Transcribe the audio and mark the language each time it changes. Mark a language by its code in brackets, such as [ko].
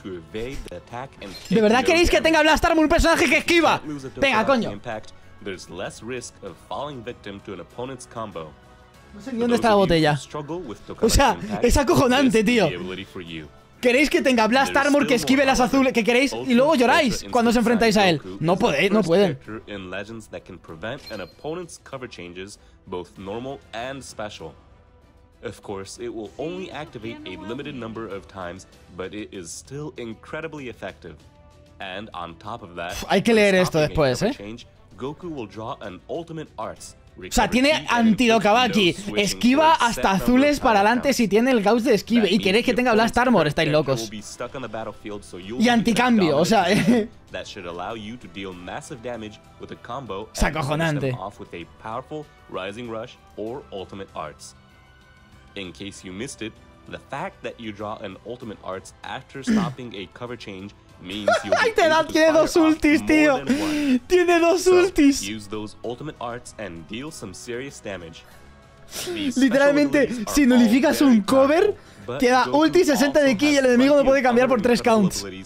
[es] ¿De verdad queréis que tenga Blast Armor un personaje que esquiva? Venga, coño. [en] There's less risk of falling victim to an opponent's combo. [es] No sé ni dónde está la botella. O sea, es acojonante, tío. ¿Queréis que tenga Blast Armor que esquive las azules que queréis y luego lloráis cuando os enfrentáis a él? No podéis, no pueden. [en] In Legends that can prevent an opponent's cover changes, both normal and special. Of course, it will only activate a limited number of times, but it is still incredibly effective. And on top of that, [es] hay que leer esto después, ¿eh? [en] Goku will draw an ultimate arts. [es] O sea, tiene anti-Dokabaki. Esquiva hasta azules para adelante si tiene el Gauss de esquive. Y queréis que tenga Blast Armor, estáis locos. Y anticambio, o sea. Es acojonante. Acojonante. [en] Off with a powerful rising rush or ultimate arts. In case you missed it, the fact that you draw an ultimate arts after stopping a cover change means you'll be able to fire off more than one. [es] Tiene dos ultis. [en] So, use those ultimate arts and deal some serious damage. [es] Literalmente, si nullificas un cover, queda ulti 60 de ki y el enemigo no puede cambiar por 3 counts.